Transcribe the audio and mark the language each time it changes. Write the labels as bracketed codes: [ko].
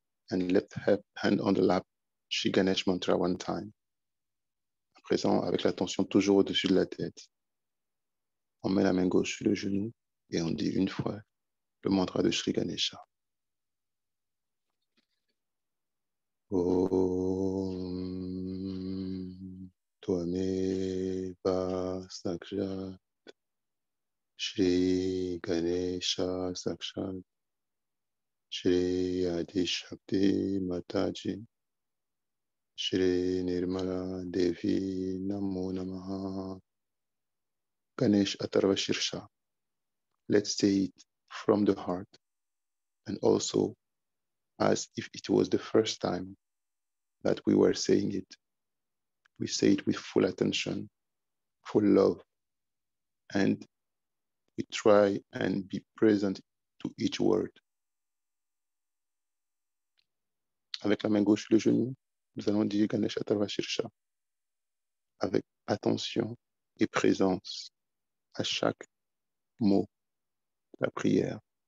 [en] And left hand on the lap, Shri Ganesh Mantra one time. [fr] À présent, avec l'attention toujours au-dessus de la tête, on met la main gauche sur le genou et on dit une fois le mantra de Shri Ganesha. [sa] Om Tvameva Sakya Shri Ganesha Sakshat Shri Adishakti Mataji Shri Nirmala Devi Namo Namaha Ganesh Atharva Shirsha. [en] Let's say it from the heart and also as if it was the first time that we were saying it. We say it with full attention, full love, and we try and be present to each word. [fr] Avec la main gauche sur le genou, nous allons dire Ganesh Atharva Shirsha avec attention et présence à chaque mot, la prière.